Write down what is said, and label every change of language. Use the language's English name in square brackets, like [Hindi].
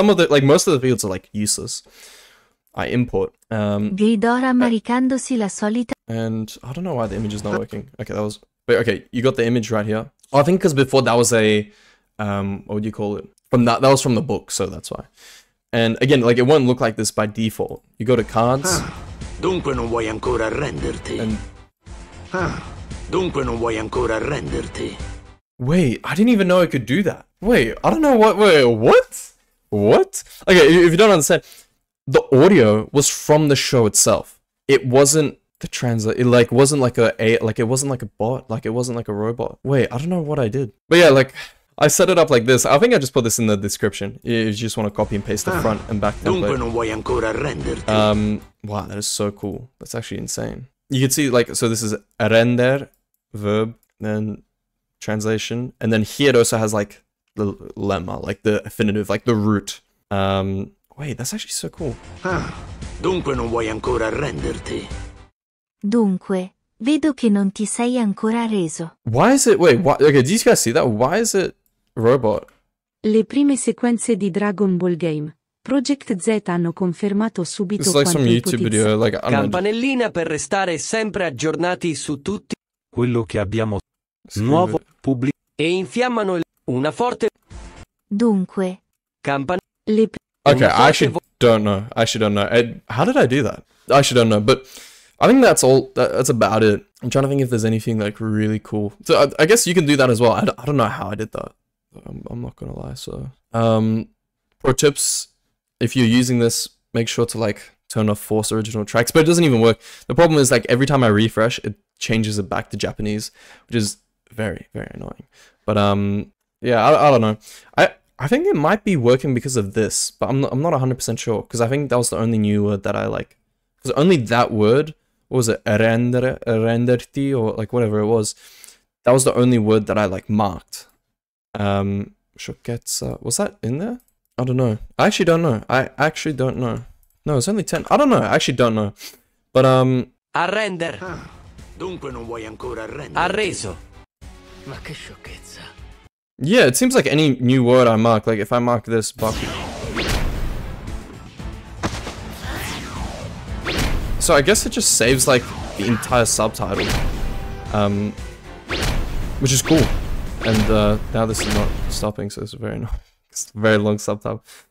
[English] Most of the fields are, like, useless. I import. And I don't know why the image is not working. Okay, that was. Wait, okay, you got the image right here. Oh, I think because before that was a. What would you call it? From that, that was from the book, so that's why. And again, like it won't look like this by default. You go to cards. [Italian] Dunque non vuoi ancora renderti. Dunque non vuoi ancora renderti. [English] Wait, I didn't even know I could do that. Wait, I don't know what. Wait, what? What? Okay, if you don't understand. The audio was from the show itself. It wasn't the translator. It wasn't like a robot. Wait, I don't know what I did. But yeah, like, I set it up like this. I think I just put this in the description. If you just want to copy and paste the front and back template. [Italian] Non vuoi ancora renderti. [English] Wow, that is so cool. That's actually insane. You can see, like, so this is render, verb, then translation. And then here it also has, like, the lemma, like, the infinitive, like, the root. Wait, that's actually so cool. [Italian] Dunque non vuoi ancora renderti. Dunque, vedo che non ti sei ancora reso. [English] Why is it? Okay, did you guys see that? Why is it robot? [Italian] Le prime sequenze di Dragon Ball Game Project Z hanno confermato subito. [English] It's like some YouTube video. Like, [Italian] campanellina per restare sempre aggiornati su tutti quello che abbiamo nuovo pubblico e infiammano una forte. Dunque, campanelle. [English] Okay, I actually don't know. How did I do that? I actually don't know, but I think that's all. That's about it. I'm trying to think if there's anything, like, really cool. So, I guess you can do that as well. I don't know how I did that. I'm not gonna lie, so. Pro tips, if you're using this, make sure to, like, turn off Force Original Tracks, but it doesn't even work. The problem is, like, every time I refresh, it changes it back to Japanese, which is very, very annoying. But, I don't know. I think it might be working because of this, but I'm not 100% sure, because I think that was the only new word that I, like, because only that word, what was it, renderti, or, like, whatever it was, that was the only word that I, like, marked. Sciocchezza, was that in there? I actually don't know. No, it's only 10, I don't know, I actually don't know, but, [Italian] Arrender. Dunque non vuoi ancora arrendere. Arreso. Ma che sciocchezza. [English] Yeah, it seems like any new word I mark, like if I mark this Baku. So I guess it just saves like the entire subtitle. Which is cool. And now this is not stopping, so it's very annoying. It's a very long subtitle.